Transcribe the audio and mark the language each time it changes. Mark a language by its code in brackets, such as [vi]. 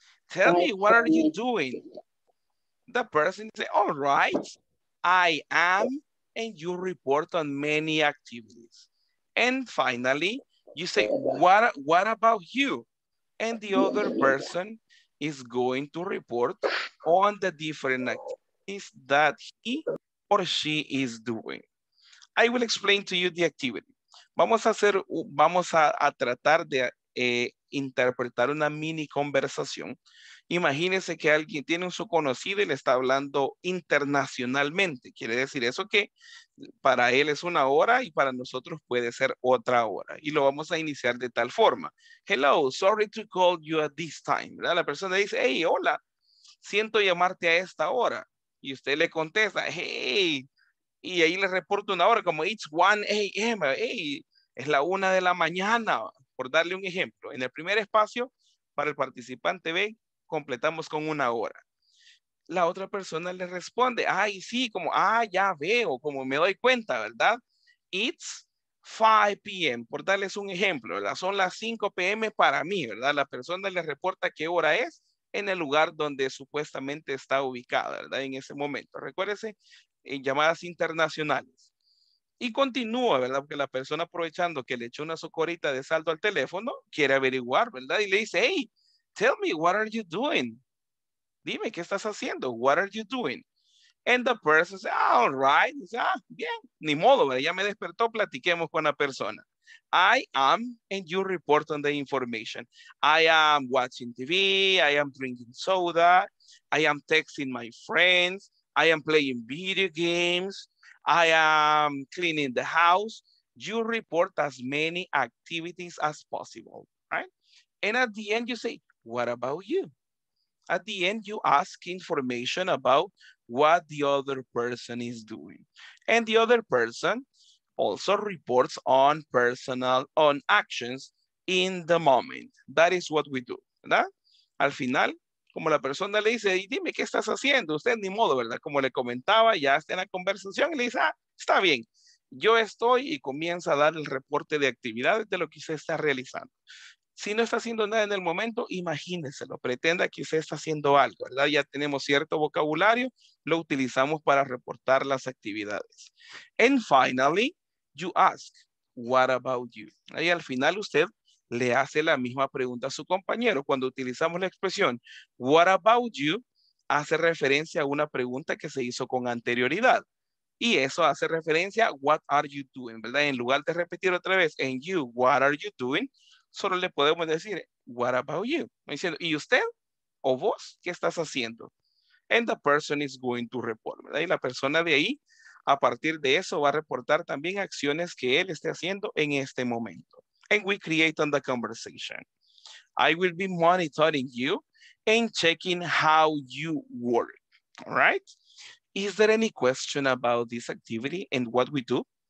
[en] Tell me, what are you doing? The person say, all right, I am, and you report on many activities. And finally, you say, what about you? And the other person is going to report on the different activities that he or she is doing. I will explain to you the activity. [es] Vamos a tratar de interpretar una mini conversación. Imagínense que alguien tiene un su conocido y le está hablando internacionalmente. Quiere decir eso que para él es una hora y para nosotros puede ser otra hora. Y lo vamos a iniciar de tal forma. [en] Hello, sorry to call you at this time. [es] ¿Verdad? La persona dice, hey, hola, siento llamarte a esta hora. Y usted le contesta, hey, y ahí le reporta una hora, como [en] it's 1 a.m., [es] hey, es la 1 de la mañana, por darle un ejemplo. En el primer espacio, para el participante B, completamos con una hora. La otra persona le responde, ay, sí, como, ah, ya veo, como me doy cuenta, ¿verdad? [en] It's 5 p.m., [es] por darles un ejemplo, ¿verdad? Son las 5 p.m. para mí, ¿verdad? La persona le reporta qué hora es en el lugar donde supuestamente está ubicada, ¿verdad? En ese momento, recuérdese, en llamadas internacionales. Y continúa, ¿verdad? Porque la persona aprovechando que le echó una socorita de saldo al teléfono, quiere averiguar, ¿verdad? Y le dice, [en] hey, tell me, what are you doing? [es] Dime, ¿qué estás haciendo? [en] What are you doing? And the person says, ah, all right. [es] Says, ah, bien, ni modo, ¿verdad? Ya me despertó, platiquemos con la persona. [en] I am, and you report on the information. I am watching TV, I am drinking soda, I am texting my friends, I am playing video games, I am cleaning the house. You report as many activities as possible, right? And at the end you say, what about you? At the end, you ask information about what the other person is doing. And the other person also reports on personal, on actions in the moment. That is what we do, ¿verdad? [es] Al final, como la persona le dice, y dime, ¿qué estás haciendo? Usted ni modo, ¿verdad? Como le comentaba, ya está en la conversación, y le dice, ah, está bien. Yo estoy, y comienza a dar el reporte de actividades de lo que usted está realizando. Si no está haciendo nada en el momento, imagíneselo, pretenda que usted está haciendo algo, ¿verdad? Ya tenemos cierto vocabulario, lo utilizamos para reportar las actividades. [en] And finally, you ask, what about you? [es] Ahí al final usted le hace la misma pregunta a su compañero. Cuando utilizamos la expresión, [en] what about you, [es] hace referencia a una pregunta que se hizo con anterioridad. Y eso hace referencia a [en] what are you doing, [es] ¿verdad? En lugar de repetir otra vez, [en] and you, what are you doing? [es] Solo le podemos decir, [en] what about you? [es] Diciendo, ¿y usted o vos qué estás haciendo? [en] And the person is going to report, [es] ¿verdad? Y la persona de ahí, a partir de eso, va a reportar también acciones que él esté haciendo en este momento. [en] And we create on the conversation. I will be monitoring you and checking how you work. All right? Is there any question about this activity and what we do?